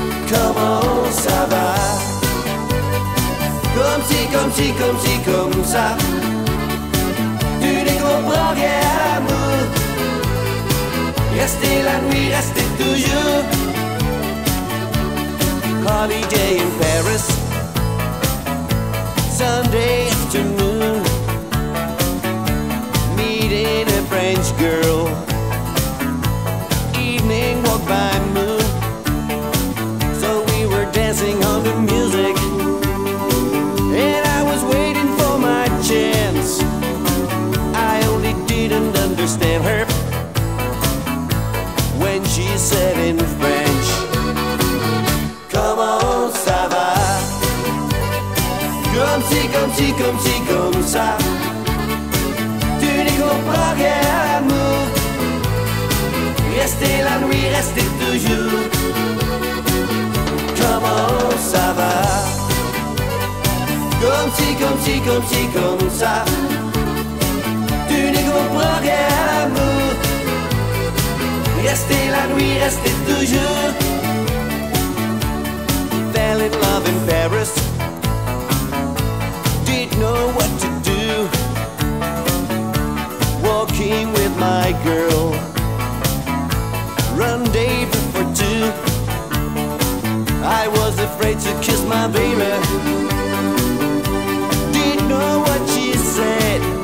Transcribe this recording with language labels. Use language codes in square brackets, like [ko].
[fr] Comment ça va? Comme ci, comme ci, comme ci, comme ça. Tu n'y comprends guère à moi. Restez la nuit, restez toujours. [en] Holiday in Paris, Sunday afternoon, meeting a French girl, evening walk by moon. So we were dancing on the music, and I was waiting for my chance. I only didn't understand her when she said in French, come on, [fr] ça va. Comme si, comme si, comme si, comme ça. Tu n'y comprends rien à nous. Restez la nuit, restez toujours. [en] Come on, [fr] ça va. Comme si, comme si, comme si, comme ça. Tu n'y comprends rien à nous. Restez la nuit, restez toujours. [en] In love in Paris, didn't know what to do. Walking with my girl, rendezvous for two. I was afraid to kiss my baby, didn't know what she said.